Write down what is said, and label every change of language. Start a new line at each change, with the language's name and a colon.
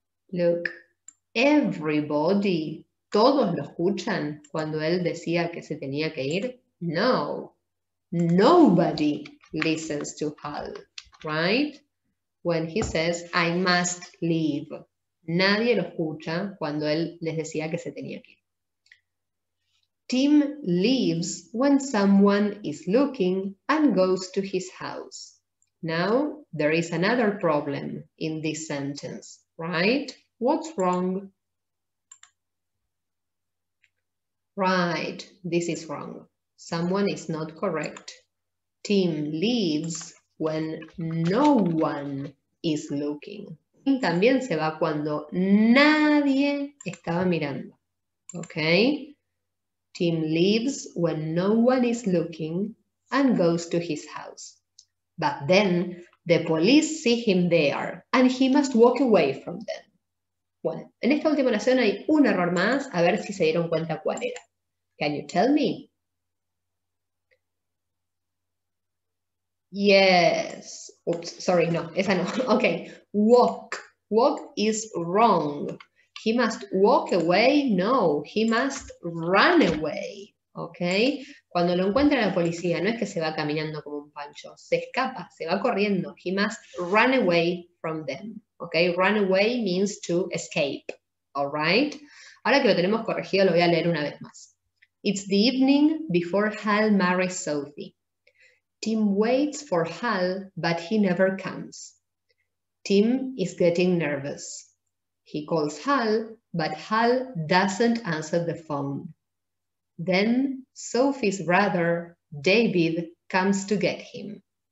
English: Look, everybody,
Spanish: todos lo escuchan cuando él decía que se tenía que ir.
English: No, nobody listens to Hal, right? When he says, I must leave.
Spanish: Nadie lo escucha cuando él les decía que se tenía que ir.
English: Tim leaves when someone is looking and goes to his house. Now, there is another problem in this sentence, right? What's wrong? Right, this is wrong. Someone is not correct. Tim leaves when no one is looking.
Spanish: Tim también se va cuando nadie estaba mirando.
English: Okay? Tim leaves when no one is looking and goes to his house. But then the police see him there and he must walk away from them.
Spanish: Bueno, en esta última oración hay un error más, a ver si se dieron cuenta cuál era.
English: Can you tell me? Yes. Oops, sorry, no,
Spanish: esa no.
English: Okay, walk. Walk is wrong. He must walk away. No, he must run away.
Spanish: Okay, cuando lo encuentra la policía, no es que se va caminando como un pancho, se escapa, se va corriendo.
English: He must run away from them. Okay, run away means to escape. All right,
Spanish: ahora que lo tenemos corregido, lo voy a leer una vez más.
English: It's the evening before Hal marries Sophie. Tim waits for Hal, but he never comes. Tim is getting nervous. He calls Hal, but Hal doesn't answer the phone. Then Sophie's brother, David, comes to get him.